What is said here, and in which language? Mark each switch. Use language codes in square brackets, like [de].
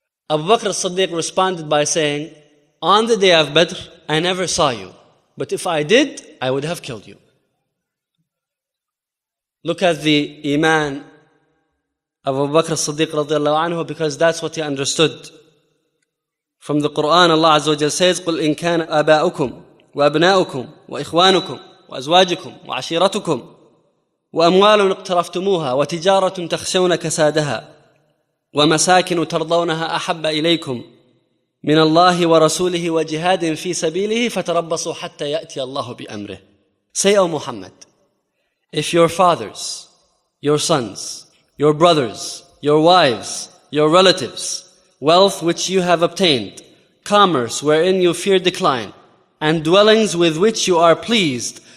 [en] Abu Bakr as-Siddiq responded by saying, on the day of Badr, I never saw you. But if I did, I would have killed you. Look at the iman of Abu Bakr as-Siddiq radiallahu anhu, because that's what he understood. From the Quran, Allah Azza wa Jal says, [ar] قُلْ إِنْ كَانَ أَبَاؤُكُمْ وَأَبْنَاؤُكُمْ وَإِخْوَانُكُمْ وَأَزْوَاجُكُمْ وَعَشِيرَتُكُمْ وَأَمْوَالٌ اقْتَرَفْتُمُوهَا وَتِجَارَةٌ تَخْشَوْنَ كَسَادَهَا ومساكن ترضونها أحب إليكم من الله ورسوله وجهاد في سبيله فتربصوا حتى يأتي الله بأمره. [en] Say, O Muhammad, if your fathers, your sons, your brothers, your wives, your relatives, wealth which you have obtained, commerce wherein you fear decline, and dwellings with which you are pleased,